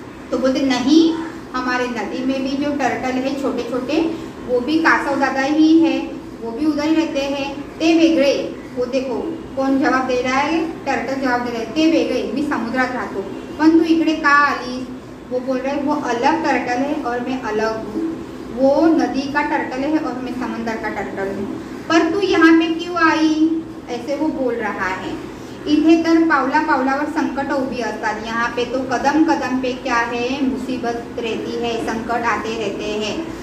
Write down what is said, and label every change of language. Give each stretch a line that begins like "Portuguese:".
Hindi: तो बोलते नहीं, हमारे नदी में भी जो टर्टल है छोटे छोटे, वो भी कासव दादा ही है, वो भी उधर ही रहते हैं,
Marathi: ते वेगळे।
Hindi: वो देखो कौन जवाब दे रहा है, टर्टल जवाब दे रहा है,
Marathi: ते वेगळे, मी समुद्रात राहतो, पण तू इकडे का आली।
Hindi: वो बोल रहा है वो अलग टर्टल है और मैं अलग हूँ, वो नदी का टर्टल है और मैं समंदर का टर्टल हूँ, पर तू यहाँ पे क्यों आई, ऐसे वो बोल रहा है।
Marathi: इधे तर पावला पावलावर संकट उभी असतात,
Hindi: यहाँ पे तो कदम कदम पे क्या है, मुसीबत रहती है, संकट आते रहते हैं।